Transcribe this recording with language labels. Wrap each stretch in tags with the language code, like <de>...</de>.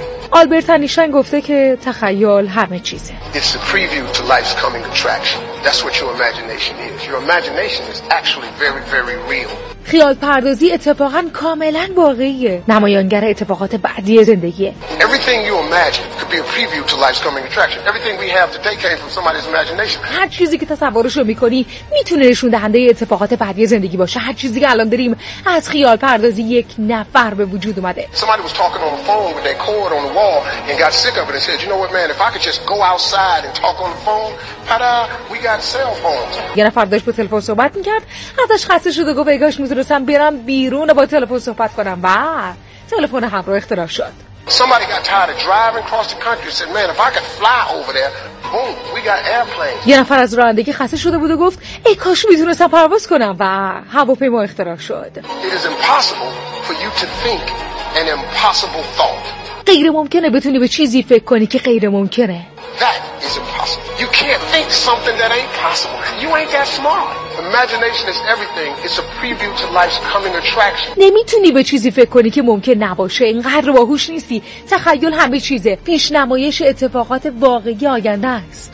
<fa>آلبرت اینشتین گفته که تخیل همه چیزه.</fa> <en>It's a preview to life's coming attraction. That's what your imagination is. Your imagination is actually very, very real.</en> <fa>خیال پردازی اتفاقا کاملا واقعیه، نمایانگر اتفاقات بعدی زندگیه.</fa> <en>Everything you imagine could be a preview to life's coming attraction. Everything we have today came from somebody's imagination.</en> <fa>هر چیزی که تصورش رو می‌کنی می‌تونه نشون دهنده اتفاقات بعدی زندگی باشه. هر چیزی که الان داریم از خیال پردازی یک نفر به وجود اومده.</fa> <en>Somebody was talking on the phone with their cord on the wall and got sick of it and said, "You know what, man, if I could just go outside and talk on the phone, ta-da, we got cell phones."</en> <fa>یه نفر داشت با تلفن صحبت می‌کرد، ازش خسته شد و گفت می‌ترسم برم بیرون با تلفن صحبت کنم و تلفن همراه اختراع شد.</fa> <en>Somebody got tired of driving across the country and said, "Man, if I could fly over there, boom, we got airplanes."</en> <fa>یه نفر از رانندگی خسته شده بود و گفت ای کاش می‌تونستم پرواز کنم و هواپیما اختراع شد.</fa> <en>It is impossible for you to think an impossible thought.</en> <fa>غیر ممکنه بتونی به چیزی فکر کنی که غیر ممکنه.</fa> <en>That is impossible. You can't think something that ain't possible. You ain't that smart. Imagination is everything. It's a preview to life's coming attraction.</en> <fa>نمیتونی به چیزی فکر کنی که ممکن نباشه. اینقدر باهوش نیستی. تخیل همه چیزه. پیشنمایش اتفاقات واقعی آینده است.</fa>